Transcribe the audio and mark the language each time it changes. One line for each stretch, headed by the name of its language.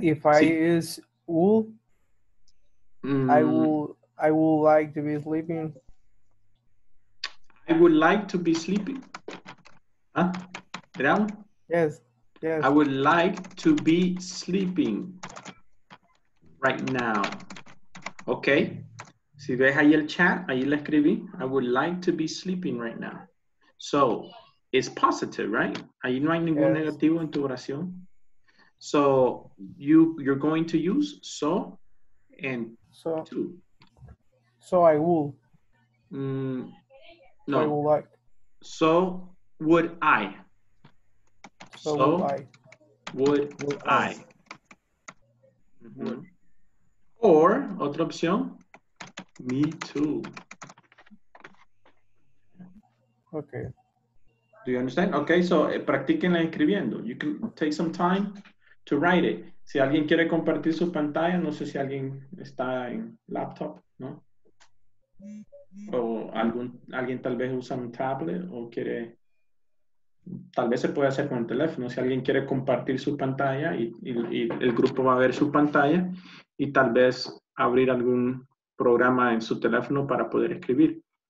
English: If I use will, I would like to be sleeping. I would like to be sleeping. Huh? Down? Yes. Yes. I would like to be sleeping right now. Okay.
Spanish: Si ves ahí el chat, ahí le escribí.
English: I would like to be sleeping right now. So, it's positive, right?
Spanish: Ahí no hay ningún negativo en tu oración.
English: So, you're going to use so and so, to. So, I will. No. I will like. So, would I. So would I. Would I. Mm-hmm. Or,
Spanish: otra opción.
English: Me too. Okay. Do you understand? Okay, so
Spanish: practiquen escribiendo.
English: You can take some time to write it.
Spanish: Si alguien quiere compartir su pantalla, no sé si alguien está en laptop, ¿no? O alguien tal vez usa un tablet o quiere. Tal vez se puede hacer con el teléfono. Si alguien quiere compartir su pantalla y el grupo va a ver su pantalla y tal vez abrir algún programa en su teléfono para poder escribir.